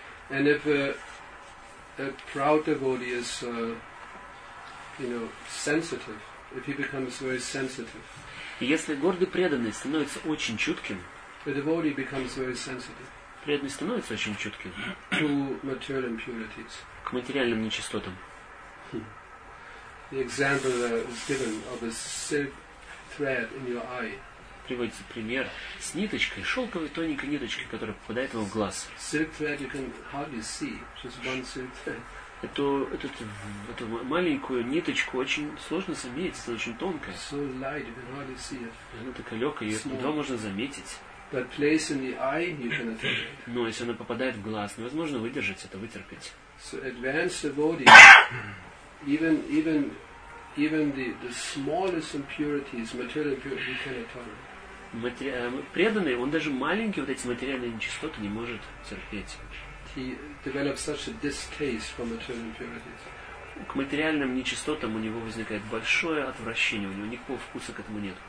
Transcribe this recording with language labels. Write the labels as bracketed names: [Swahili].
[English] And if a proud devotee is, sensitive. If he becomes very sensitive. [Russian] Если гордый преданный становится очень чутким. [English] The devotee becomes very sensitive. [Russian] Преданный становится очень чутким. [English] To material impurities. [Russian] К материальным нечистотам. [English] The example that is given of a silk thread in your eye. [Russian] Приводится пример с ниточкой, шелковой тоненькой ниточкой, которая попадает вам в глаз. [English] Silk thread you can hardly see, just one silk thread. [Russian] Эту маленькую ниточку очень сложно заметить, она очень тонкая. [English] So light, you can hardly see it. [Russian] Она такая легкая, ее едва можно заметить. [English] But place in the eye, you can attend it. [Russian] Но если она попадает в глаз, невозможно выдержать это, вытерпеть. [English] So advanced devotee, even the smallest impurities, material impurities, you cannot tolerate. [Russian] Преданный, он даже маленькие вот эти материальные нечистоты не может терпеть. [English] He develops such a distaste for material impurities. [Russian] К материальным нечистотам у него возникает большое отвращение, у него никакого вкуса к этому нет.